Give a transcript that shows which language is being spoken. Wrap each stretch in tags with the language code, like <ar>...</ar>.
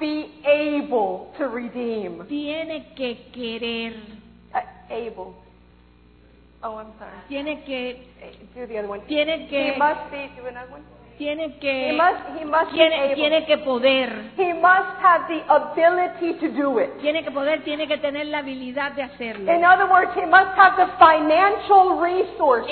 <en>be able to redeem.</en> <es>Tiene que querer.</es> <en>Able. Oh, I'm sorry.</en> <es>Tiene que.</es> <en>Do the other one.</en> <es>Tiene que.</es> <en>He must be. Do another one.</en> <es>Tiene que,</es> <en>he must be able. He must have the ability to do it.</en> <es>Tiene que poder, tiene que tener la habilidad de hacerlo.</es> <en>In other words, he must have the financial resources.</en>